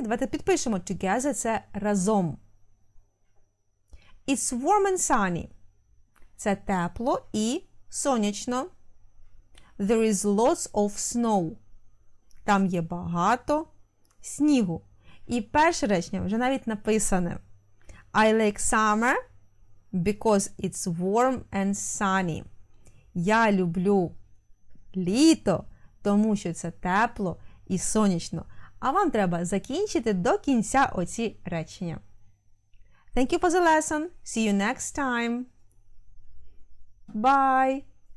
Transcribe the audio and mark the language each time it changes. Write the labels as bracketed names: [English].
[Ukrainian] Давайте підпишемо together, це разом. [English] It's warm and sunny. [Ukrainian] Це тепло і сонячно. [English] There is lots of snow. [Ukrainian] Там є багато снігу. І перше речення вже навіть написане. [English] I like summer because it's warm and sunny. [Ukrainian] Я люблю літо, тому що це тепло і сонячно. А вам треба закінчити до кінця оці речення. [English] Thank you for the lesson. See you next time. Bye!